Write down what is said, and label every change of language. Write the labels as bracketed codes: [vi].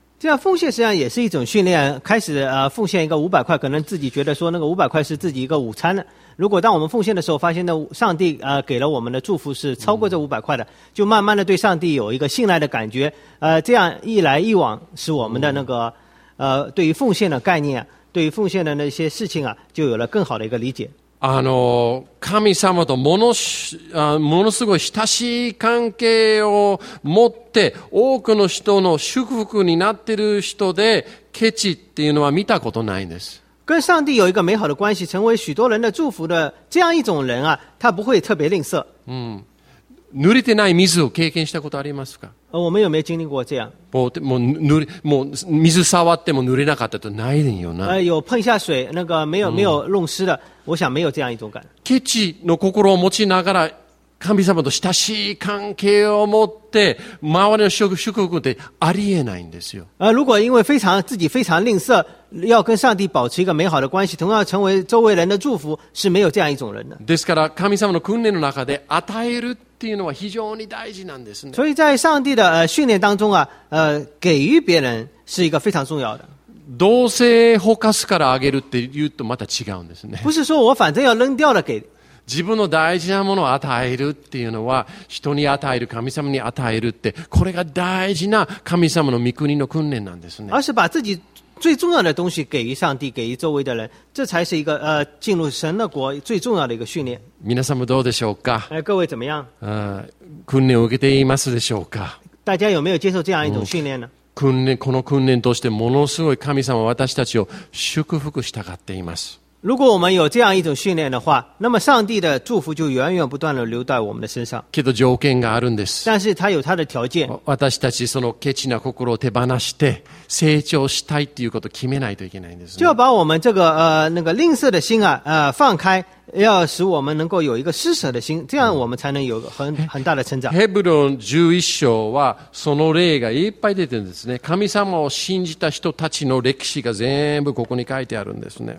[zh] 这样奉献实际上也是一种训练。开始奉献一个500块，可能自己觉得说那个500块是自己一个午餐了。如果当我们奉献的时候，发现的上帝给了我们的祝福是超过这500块的，就慢慢的对上帝有一个信赖的感觉。这样一来一往，使我们的那个对于奉献的概念，对于奉献的那些事情啊，就有了更好的一个理解。 [ja] 神様とものすごい親しい関係を持って多くの人の祝福になっている人でケチっていうのは見たことないんです。 [zh] 跟上帝有一个美好的关系，成为许多人的祝福的这样一种人啊，他不会特别吝啬。 [ja] 濡れてない水を経験したことありますか？ [zh] 我们有没有经历过这样？ [ja] もう水触っても濡れなかったとないよな。 [zh] 有碰下水，那个没有弄湿的，我想没有这样一种感。 [ja] ケチの心を持ちながら神様と親しい関係を持って周りの祝福ってありえないんですよ。 [zh] 如果因为非常自己非常吝啬，要跟上帝保持一个美好的关系，同样成为周围人的祝福，是没有这样一种人的。 [ja] ですから神様の訓練の中で与えるっていうのは非常に大事なんですね。 [zh] 所以在上帝的训练当中啊，给予别人是一个非常重要的。 [ja] どうせほかすからあげるって言うとまた違うんですね。 [zh] 不是说我反正要扔掉了给。 [ja] 自分の大事なものを与えるっていうのは人に与える神様に与えるってこれが大事な神様の御国の訓練なんですね。 [zh] 而是把自己最重要的东西给予上帝给予周围的人，这才是一个进入神的国最重要的一个训练。 [ja] 皆さんもどうでしょうか。 [zh] 各位怎么样？ [ja] 訓練を受けていますでしょうか。 [zh] 大家有没有接受这样一种训练呢？ [ja] 訓練この訓練としてものすごい神様は私たちを祝福したがっています。 [zh] 如果我们有这样一种训练的话，那么上帝的祝福就源源不断的流到我们的身上。 [ja] けど条件があるんです。 [zh] 但是他有他的条件。 [ja] 私たちそのケチな心を手放して成長したいっていうことを決めないといけないんです、ね。 [zh] 就要把我们这个那个吝啬的心啊放开。要使我们能够有一个施舍的心，这样我们才能有很大的成长。 [ja] ヘブロン11章はその例がいっぱい出てるんですね。神様を信じた人たちの歴史が全部ここに書いてあるんですね。